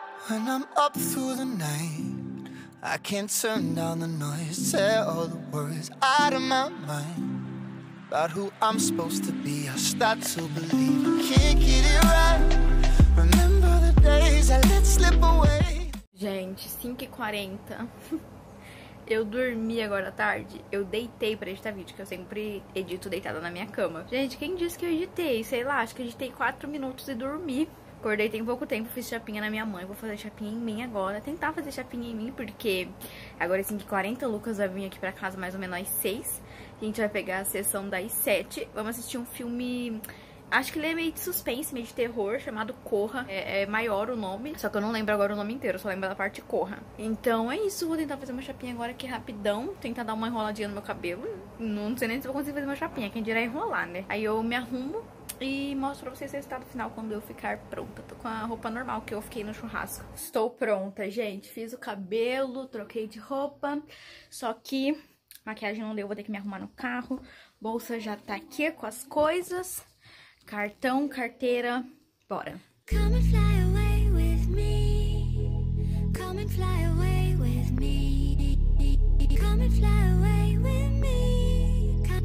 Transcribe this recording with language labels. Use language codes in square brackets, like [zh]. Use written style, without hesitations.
[en] When I'm up through the night, I can't turn down the noise. Tear all the worries out of my mind about who I'm supposed to be. I start to believe I can't get it right. Remember the days I let slip away. [pt] Gente, 5h40. Eu dormi agora à tarde. Eu deitei pra editar vídeo, que eu sempre edito deitada na minha cama. Gente, quem disse que eu editei? Sei lá, acho que editei 4 minutos e dormi. Acordei tem pouco tempo, fiz chapinha na minha mãe. Vou fazer chapinha em mim agora. Tentar fazer chapinha em mim, porque agora é 5h40. O Lucas vai vir aqui pra casa mais ou menos às 6. A gente vai pegar a sessão das 7. Vamos assistir um filme. Acho que ele é meio de suspense, meio de terror, chamado Corra. É maior o nome, só que eu não lembro agora o nome inteiro, só lembro da parte Corra. Então é isso, vou tentar fazer uma chapinha agora aqui rapidão, tentar dar uma enroladinha no meu cabelo. Não sei nem se vou conseguir fazer uma chapinha, quem dirá enrolar, né? Aí eu me arrumo e mostro pra vocês o resultado final quando eu ficar pronta. Tô com a roupa normal que eu fiquei no churrasco. Estou pronta, gente. Fiz o cabelo, troquei de roupa, só que maquiagem não deu, vou ter que me arrumar no carro. Bolsa já tá aqui com as coisas. Cartão, carteira, bora. [en] Come and fly away with me. Come and fly away with me. Come and fly away with me.